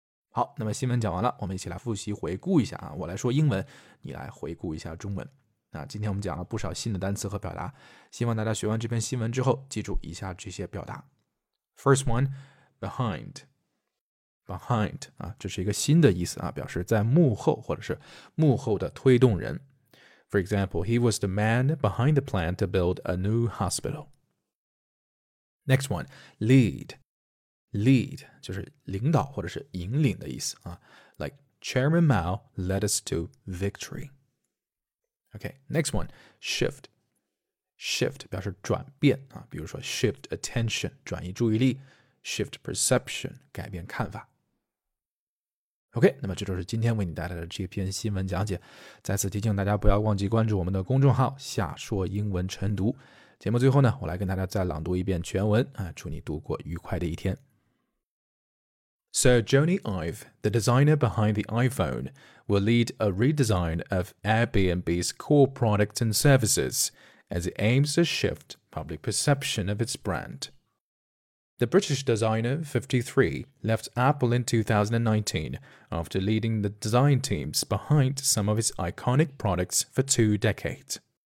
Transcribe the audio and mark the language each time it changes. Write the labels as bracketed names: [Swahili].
[Chinese] 好，那么新闻讲完了，我们一起来复习回顾一下、啊、我来说英文你来回顾一下中文。那今天我们讲了不少新的单词和表达，希望大家学完这篇新闻之后记住以下这些表达。 [English] First one, behindBehind、 [Chinese] 啊、这是一个新的意思、啊、表示在幕后或者是幕后的推动人。 [English] For example, he was the man behind the plan to build a new hospital. Next one, lead. Lead [Chinese] 就是领导或者是引领的意思、 [English] 啊、Like Chairman Mao led us to victory. Okay, next one, shift. [Chinese] Shift 表示转变、啊、比如说 shift attention 转移注意力， shift perception 改变看法。 OK, 那么这就是今天为你带来的这篇新闻讲解。再次提醒大家不要忘记关注我们的公众号下说英文晨读。节目最后呢我来跟大家再朗读一遍全文、啊、祝你度过愉快的一天。 [English] Sir Johnny Ive, the designer behind the iPhone, will lead a redesign of Airbnb's core products and services as it aims to shift public perception of its brand. The British designer, 53, left Apple in 2019 after leading the design teams behind some of its iconic products for 2 decades.